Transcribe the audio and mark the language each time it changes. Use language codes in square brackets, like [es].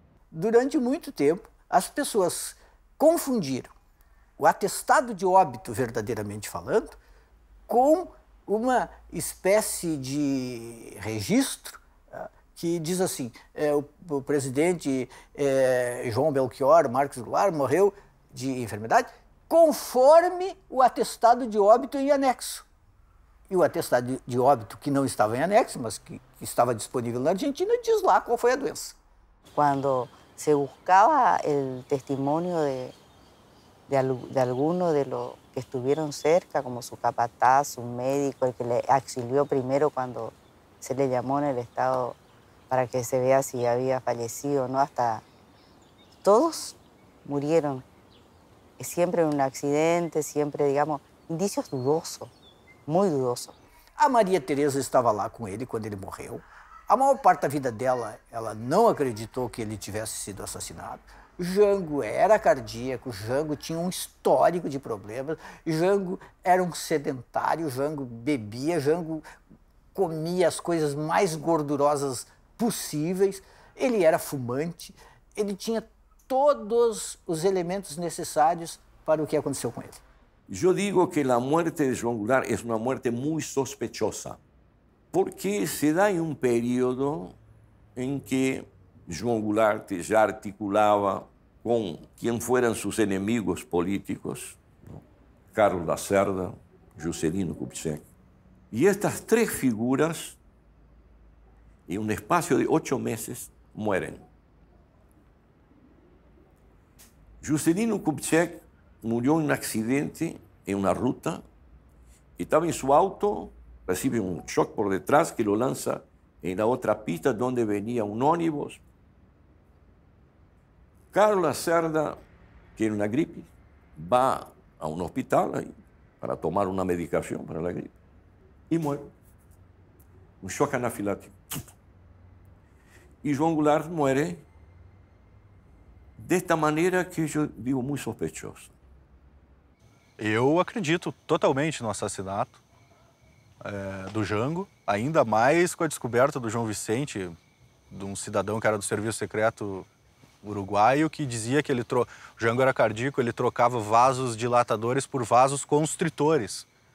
[es] Durante mucho tiempo, las personas confundieron el atestado de óbito, verdaderamente hablando, con una especie de registro que dice así, el presidente João Belchior, Marcos Goulart, morreu de enfermedad, conforme el atestado de óbito en anexo. [pt] E o atestado de óbito, que não estava em anexo, mas que estava disponível na Argentina, diz lá qual foi a doença. [es] cuando se buscaba el testimonio de alguno de los que estuvieron cerca, como su capataz, su médico, el que le auxilió primero cuando se le llamó en el estado para que se vea si había fallecido o no, hasta todos murieron. Siempre en un accidente, siempre, digamos, indicios dudosos, muy dudosos. A María Teresa estaba lá con él cuando él murió. [pt] A maior parte da vida dela, ela não acreditou que ele tivesse sido assassinado. Jango era cardíaco, Jango tinha um histórico de problemas, Jango era um sedentário, Jango bebia, Jango comia as coisas mais gordurosas possíveis, ele era fumante, ele tinha todos os elementos necessários para o que aconteceu com ele. Eu digo que a morte de João Goulart é uma morte muito sospechosa. [es] Porque se da en un periodo en que João Goulart ya articulaba con quien fueran sus enemigos políticos, ¿no? Carlos Lacerda, Juscelino Kubitschek. Y estas tres figuras, en un espacio de 8 meses, mueren. Juscelino Kubitschek murió en un accidente en una ruta, estaba en su auto. Recibe un shock por detrás que lo lanza en la otra pista donde venía un ónibus. Carlos Lacerda tiene una gripe, va a un hospital para tomar una medicación para la gripe y muere. Un shock anafilático. Y João Goulart muere de esta manera que yo digo muy sospechoso. Yo acredito totalmente en el asesinato [pt] do Jango, ainda mais com a descoberta do João Vicente, de um cidadão que era do Serviço Secreto Uruguaio, que dizia que o Jango era cardíaco, ele trocava vasos dilatadores por vasos constritores.